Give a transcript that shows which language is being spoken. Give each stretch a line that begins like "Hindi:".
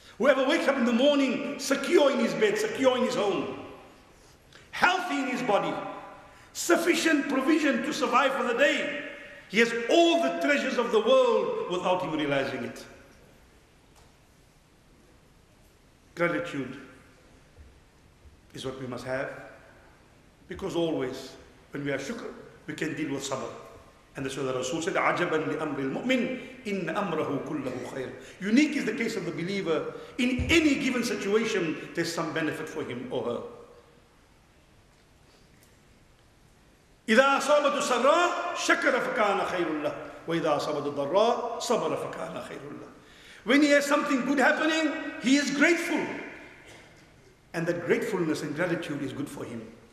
English: Whoever wakes up in the morning secure in his bed, secure in his home, healthy in his body, sufficient provision to survive for the day, he has all the treasures of the world without him realizing it. Gratitude is what we must have, because always when we have shukr, we can deal with sabr. And that's why the Rasul said,
Arabic: عَجَبًا لِأَمْرِ الْمُؤْمِنِ إِنَّ أَمْرَهُ كُلَّهُ خَيْرٌ.
English: Unique is the case of the believer. In any given situation, there's some benefit for him or her.
Arabic: إِذَا أَصَابَتُ سَرَّا شَكَرَ فَكَانَ خَيْرُ اللَّهِ وَإِذَا أَصَابَتُ ضَرَّا صَبَرَ فَكَانَ خَيْرُ اللَّهِ.
English: When he has something good happening, he is grateful. And that gratefulness and gratitude is good for him.